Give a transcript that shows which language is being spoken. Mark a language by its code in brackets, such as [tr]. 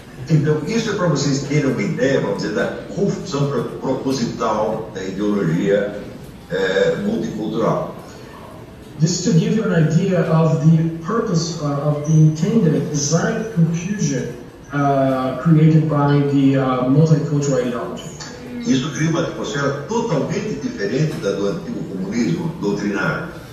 [pt] Então, isso é para vocês terem uma ideia, vamos dizer, da confusão proposital da ideologia multicultural. [en] This is to give you an idea of the purpose of the intended design confusion created by the multicultural ideology. [pt] Isso cria uma atmosfera totalmente diferente da do antigo comunismo doutrinário.